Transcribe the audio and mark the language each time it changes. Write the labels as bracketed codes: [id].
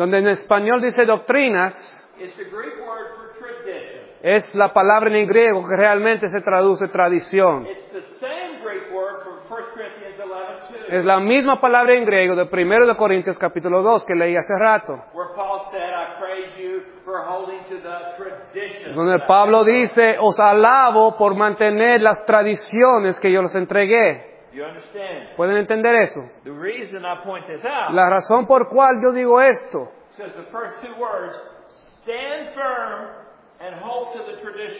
[es] donde en español dice doctrinas, [en] is the Greek word for tradition. [es] Es la palabra en griego que realmente se traduce tradición. [en] It's the same Greek word from 1 Corinthians 11, 2. [es] Es la misma palabra en griego de 1 Corintios capítulo 2 que leí hace rato. [en] Where Paul said, I praise you for holding to the tradition. [es] Donde Pablo dice, os alabo por mantener las tradiciones que yo les entregué. [en] You understand? [es] ¿Pueden entender eso? [en] The reason I point this out, [es] la razón por cual yo digo esto. [en] Says the first two words, stand firm. And hold to the tradition.